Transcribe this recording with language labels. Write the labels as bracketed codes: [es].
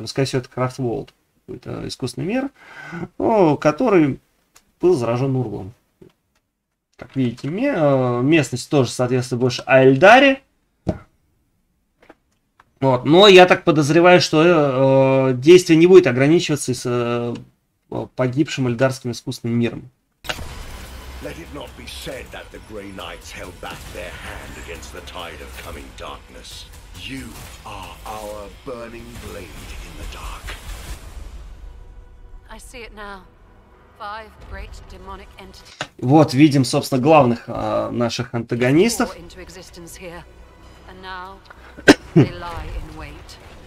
[ru] Ну, скорее всего, это крафтворд, какой-то искусственный мир, ну, который был заражен Урглом. Как видите, местность тоже соответствует больше Эльдаре. Вот. Но я так подозреваю, что действие не будет ограничиваться с погибшим эльдарским искусственным миром. [en] Let it not be said that the Grey Knights held back their hand against the tide of coming darkness. You are our burning blade in the dark. I see it now. Five great demonic entities. [ru] Вот видим, собственно, главных наших антагонистов. [en] Into existence here, and now they lie in wait.